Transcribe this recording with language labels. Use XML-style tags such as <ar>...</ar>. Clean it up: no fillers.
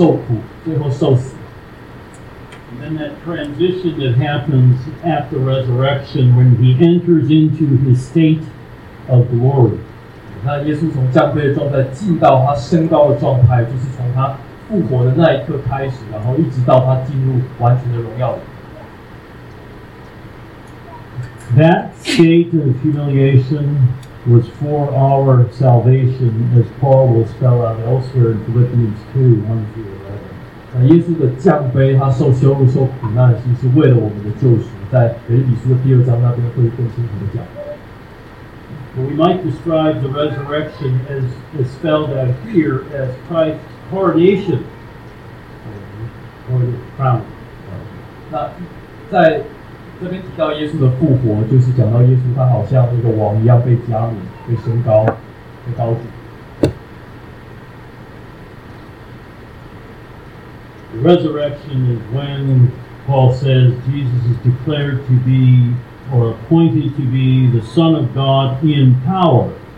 <zh>我认为他所关注的是他从降卑的状态转换到他升高的状态。那他降卑的状态包括他从宫女怀孕，包括他受苦，最后受死。</zh> <en>And then that transition that happens at the resurrection when he enters into his state of glory.</en> <zh>那耶稣从降卑的状态进到他升高的状态，就是从他复活的那一刻开始，然后一直到他进入完全的荣耀里。</zh> <en>That state of humiliation was for our salvation, as Paul will spell out elsewhere in Philippians 2, 1 through 11.</en> <zh>耶稣的降杯他受羞辱受苦难的心 是为了我们的救赎, 在腓立比书的第二章那边会更清楚地讲。</zh> <en>We might describe the resurrection as spelled out here as Christ's coronation or the crown.</en> <zh>那在这边提到耶稣的复活，就是讲到耶稣他好像那个王一样被加冕、被升高、被高举。</zh> <en>The resurrection is when Paul says Jesus is declared to be or appointed to be the Son of God in power.</en>